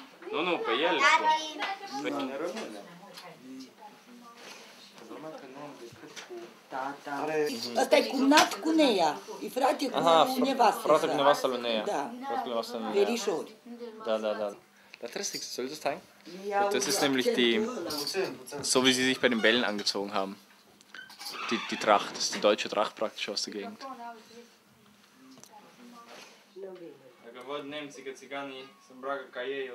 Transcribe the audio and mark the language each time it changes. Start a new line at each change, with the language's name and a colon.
Romanian: Nu, nu, pe el. Pe tineră. Asta e cumnat cu Neia, e frate cu nevastă. Frate cu nevastă lui Neia. Da. Verișori. Da, da, da. Dar trebuie să-i spui, stai?
German: Das ist nämlich die, so wie sie sich bei den Bällen angezogen haben. Die Tracht, das ist die deutsche Tracht praktisch aus der Gegend.
Romanian: Dacă văd nemții că țiganii se îmbracă ca ei, o